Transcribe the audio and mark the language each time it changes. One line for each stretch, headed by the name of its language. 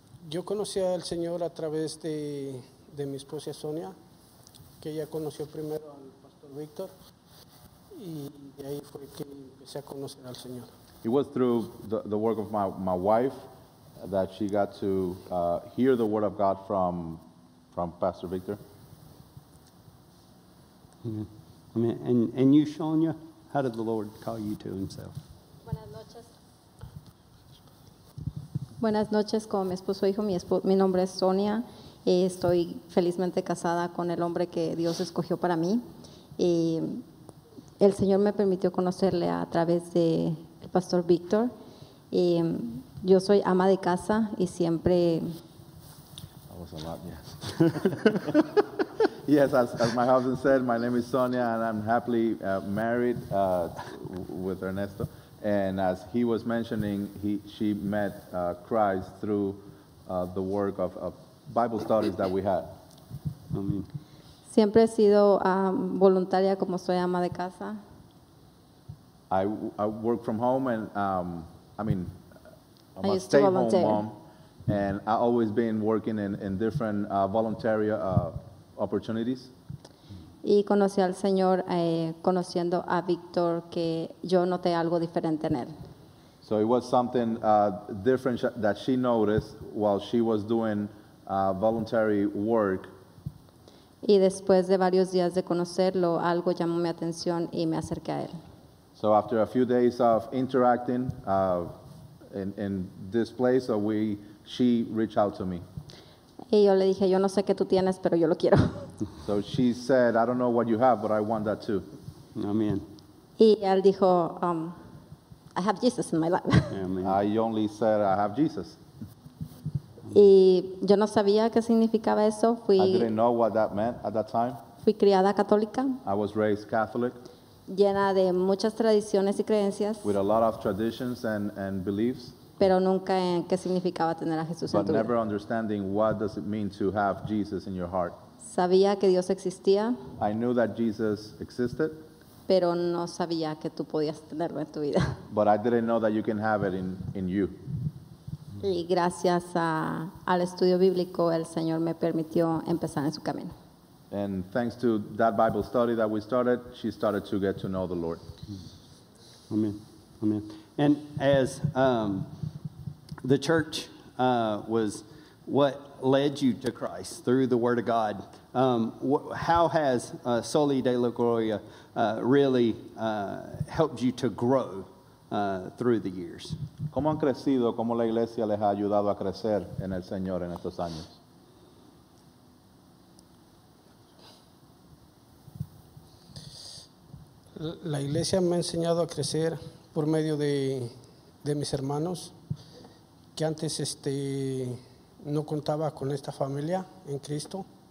Spanish: Yo conocí al Señor a través de mi esposa Sonia, que ella conoció primero al Pastor Víctor, y de ahí fue que empecé a conocer al Señor.
English: It was through the work of my wife that she got to hear the word of God from Pastor Víctor. And you, Sonia? How did the Lord call you to Himself?
Spanish: Buenas noches. Buenas noches. Como mi esposo dijo, mi nombre es Sonia. Estoy felizmente casada con el hombre que Dios escogió para mí. El Señor me permitió conocerle a través del Pastor Víctor. Yo soy ama de casa y siempre.
English: That was a lot, yes. Yes, as my husband said, my name is Sonia, and I'm happily married with Ernesto. And as he was mentioning, she met Christ through the work of Bible studies that we had. Amen.
Spanish: Siempre he sido voluntaria como soy ama de casa.
English: I work from home, and I'm a stay-at-home mom, and I've always been working in different voluntary opportunities.
Spanish: Y conocí al Señor conociendo a Víctor, que yo noté algo diferente en él.
English: So it was something different that she noticed while she was doing voluntary work.
Spanish: Y después de varios días de conocerlo, algo llamó mi atención y me acerqué a él.
English: So after a few days of interacting in this place, she reached out to me.
Spanish: Y yo le dije, yo no sé qué tú tienes, pero yo lo quiero.
English: So she said, I don't know what you have, but I want that too. Amen.
Spanish: Y él dijo,
English: I have Jesus in my life. Amen. I only said, I have Jesus.
Spanish: Y yo no sabía qué significaba eso.
English: I didn't know what that meant at that time.
Spanish: Fui criada católica.
English: I was raised Catholic.
Spanish: Llena de muchas tradiciones y creencias.
English: With a lot of traditions and beliefs.
Spanish: Pero nunca en qué significaba tener a Jesús
English: but
Spanish: en tu
English: never
Spanish: vida.
English: Understanding what does it mean to have Jesus in your heart.
Spanish: Sabía que Dios existía.
English: I knew that Jesus existed.
Spanish: Pero no sabía que tú podías tenerlo en tu vida.
English: But I didn't know that you can have it in you.
Spanish: Y gracias al estudio bíblico, el Señor me permitió empezar en su camino.
English: And thanks to that Bible study that we started, she started to get to know the Lord. Amen. Amen. And as the church was what led you to Christ through the Word of God, how has Soli de la Gloria really helped you to grow through the years?
Spanish: ¿Cómo han crecido? ¿Cómo la iglesia les ha ayudado a crecer en el Señor en estos años? La iglesia me ha enseñado a crecer por medio de mis hermanos, que antes no contaba con esta familia en Cristo.